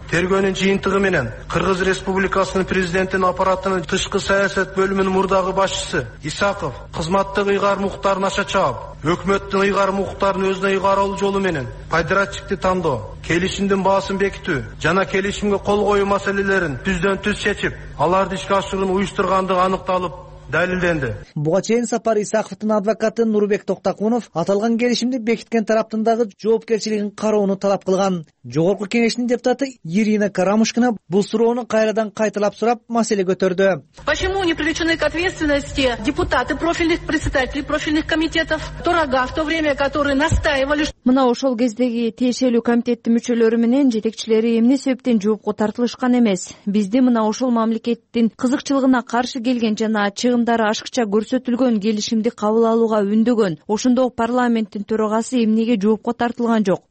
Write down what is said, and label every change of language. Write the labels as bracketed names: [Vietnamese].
[Kyrgyz] Тергөөнүн жыйынтыгы менен Кыргыз Республикасынын президентинин аппаратынын тышкы саясат бөлүмүнүн мурдагы башчысы Исаков кызматтык ыйгарым укуктарын аша чаап, өкмөттүн ыйгарым укуктарын өзүнө ыйгарып алуу жолу менен подрядчикти тандоо, келишимдин баасын бекитүү жана келишимге кол коюу маселелерин түздөн түз чечип, аларды ишке ашыруунун уюштургандыгы аныкталып далилденди. Буга чейин Сапар Исаковдун адвокаты Нурбек Токтокунов аталган келишимди бекиткен тараптын дагы жоопкерчилигин кароону талап кылган. Жогорку кеңештин депутаты Ирина Карамушкина бул суроону кайрадан кайталап сурап маселе көтөрдү. [Russian] Почему не привлечены к ответственности депутаты профильных председателей профильных комитетов Турага в то время, которые настаивали? [Kyrgyz] Мына ошол кездеги тиешелүү комитеттин мүчөлөрү менен жетекчилери эмне себептен жоопко тартылышкан эмес? Бизди мына ошол мамлекеттин кызыкчылыгына каршы келген жана чыгымдары ашыкча көрсөтүлгөн келишимди кабыл алууга үндөгөн ошондо парламенттин төрагасы эмнеге жоопко тартылган жок?